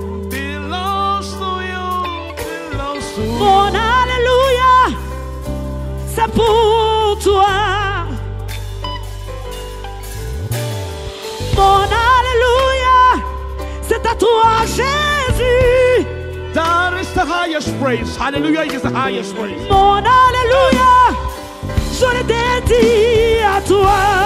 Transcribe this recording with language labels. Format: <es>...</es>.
<en>Belongs to you, belongs to you.</en> <fr>Mon alléluia, c'est pour toi. Mon alléluia, c'est à toi, Jésus.</fr> <en>That is the highest praise. Hallelujah is the highest praise.</en> <fr>Mon alléluia, je le dédie à toi.</fr>